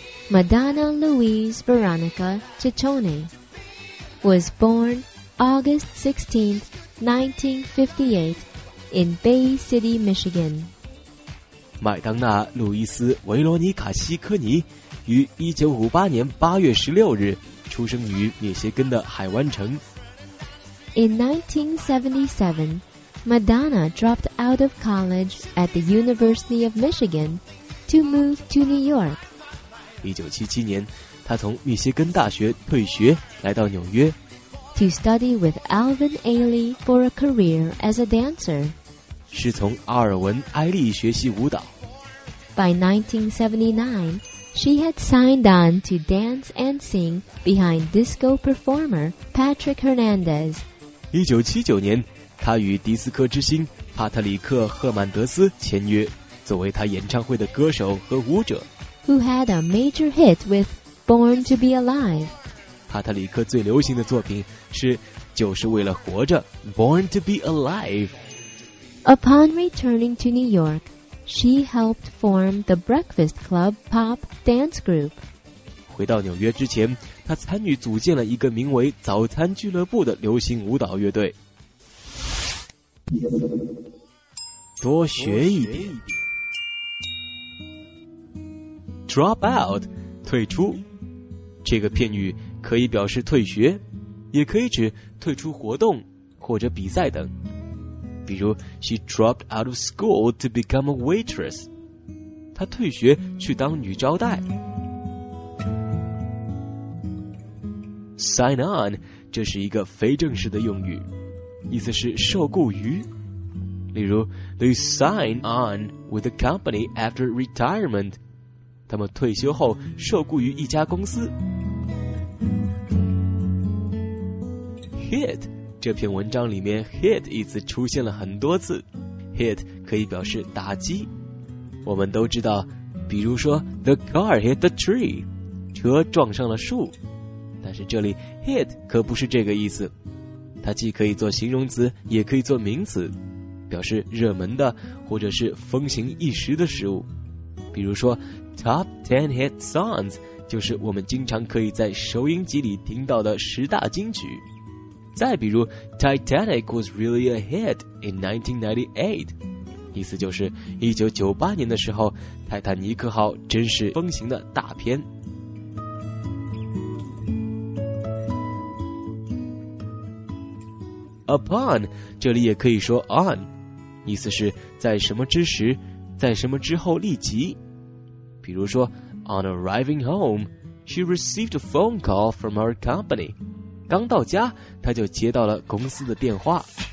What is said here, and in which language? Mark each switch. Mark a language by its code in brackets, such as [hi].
[en] Madonna Louise Veronica Ciccone was born August 16th, 1958 in Bay City, Michigan. [zh] 麦当娜·路易斯·维罗尼卡·西科尼于1958年8月16日出生于密歇根的海湾城。 [en] In 1977,Madonna dropped out of college at the University of Michigan to move to New York. [zh] 1977年，她从密歇根大学退学，来到纽约。 [en] To study with Alvin Ailey for a career as a dancer. [zh] 是从阿尔文·埃利学习舞蹈。 [en] By 1979, she had signed on to dance and sing behind disco performer Patrick Hernandez. [zh] 1979年，她与迪斯科之星帕特里克·赫曼德斯签约，作为她演唱会的歌手和舞者。 [en] Who had a major hit with Born to be Alive. [zh] 帕特里克最流行的作品是就是为了活着 Born to be Alive. [en] Upon returning to New York, she helped form the Breakfast Club pop dance group. [zh] 回到纽约之前，她参与组建了一个名为早餐俱乐部的流行舞蹈乐队。多学一点。 [en] Drop out, [zh] 退出。这个片语可以表示退学，也可以指退出活动或者比赛等。比如 [en] ,She dropped out of school to become a waitress. [zh] 她退学去当女招待。 Sign on, 这是一个非正式的用语，意思是受雇于。例如 [en] ,They sign on with the company after retirement. [zh] 他们退休后受雇于一家公司。 Hit, 这篇文章里面 hit 一词出现了很多次。 Hit 可以表示打击。我们都知道，比如说 [en] The car hit the tree, [zh] 车撞上了树。但是这里 hit 可不是这个意思。它既可以做形容词，也可以做名词，表示热门的或者是风行一时的事物。比如说 [en] Top 10 hit songs [zh] 就是我们经常可以在收音机里听到的十大金曲。再比如 [en] Titanic was really a hit in 1998, [zh] 意思就是1998年的时候泰坦尼克号真是风行的大片。 Upon, 这里也可以说 on, 意思是在什么之时，在什么之后立即。比如说 [en] On arriving home, she received a phone call from her company. [zh] 刚到家，她就接到了公司的电话。